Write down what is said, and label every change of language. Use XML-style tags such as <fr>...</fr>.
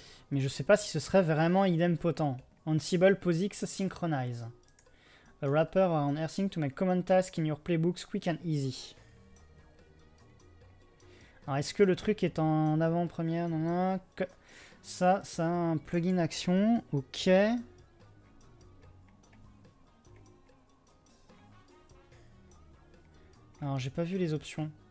<fr>Mais je sais pas si ce serait vraiment idempotent.</fr> <en>Ansible POSIX Synchronize. A wrapper on rsync to make common tasks in your playbooks quick and easy.</en> <fr>Alors est-ce que le truc est en avant-première? Non, non. Ça a un plugin action. Ok. Alors j'ai pas vu les options.</fr>